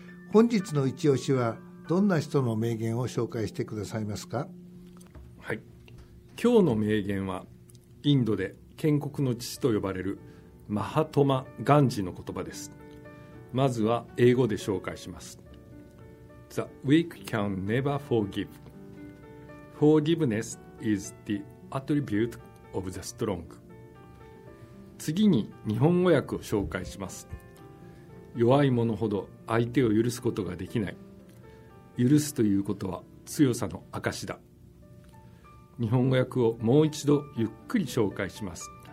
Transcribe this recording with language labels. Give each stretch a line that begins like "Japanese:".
Japanese: 本日の一押しはどんな人の名言を紹介してくださいますか？はい、今日の名言はインドで建国の父と呼ばれるマハトマ・ガンジの言葉です。まずは英語で紹介します。
English: The weak can never forgiveForgiveness is the attribute of the strong.
Japanese: 次に日本語訳を紹介します。弱い者ほど相手を許すことができない。許すということは強さの証だ。日本語訳をもう一度ゆっくり紹介します。